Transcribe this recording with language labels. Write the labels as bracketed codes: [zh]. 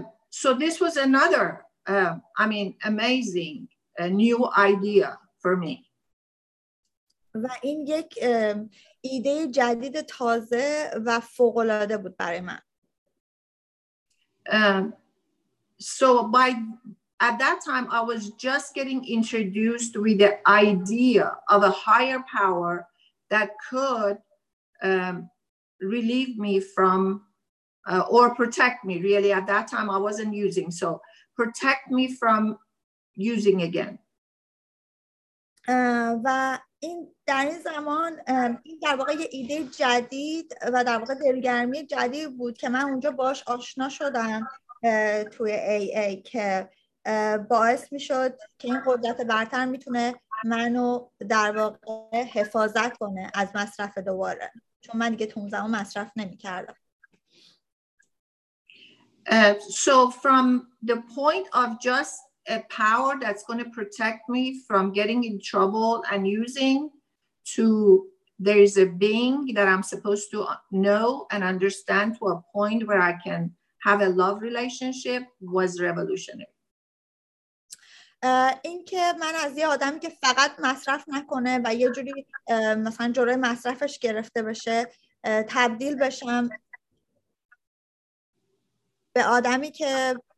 [en] So this was another, amazing, new idea for me. [fa] و این یک ایده جدید تازه و فوق‌العاده بود برای من. [en] At that time, I was just getting introduced with the idea of a higher power that could relieve me from or protect me, really. At that time, I wasn't using. So protect me from using again. [fa] و این در این زمان این در واقع یه ایده جدید و در واقع دلگرمی جدید بود که من اونجا باش آشنا شدم توی AA که باعث می شد که این قدرت برتر می تونه منو در واقع حفاظت کنه از مصرف دوباره، چون من دیگه تو اون زمان مصرف نمی کردم. [en] So from the point of just a power that's going to protect me from getting in trouble and using, to there's a being that I'm supposed to know and understand to a point where I can have a love relationship was revolutionary. [fa] این که من از یه آدمی که فقط مصرف نکنه و یه جوری مثلا جوره مصرفش گرفته بشه تبدیل بشم به آدمی که